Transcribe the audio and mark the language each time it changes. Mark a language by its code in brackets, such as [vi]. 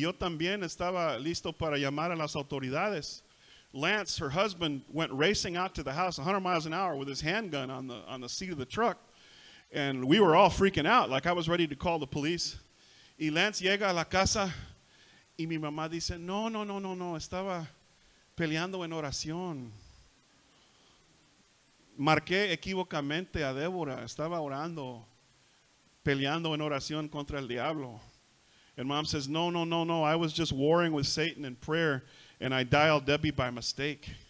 [es] Yo también estaba listo para llamar a las autoridades. [en] Lance, her husband, went racing out to the house 100 miles an hour with his handgun on the seat of the truck. And we were all freaking out, like I was ready to call the police. [es] Y Lance llega a la casa y mi mamá dice, no, estaba peleando en oración. Marqué equivocamente a Débora, estaba orando, peleando en oración contra el diablo. [en] And mom says, no, I was just warring with Satan in prayer and I dialed Debbie by mistake.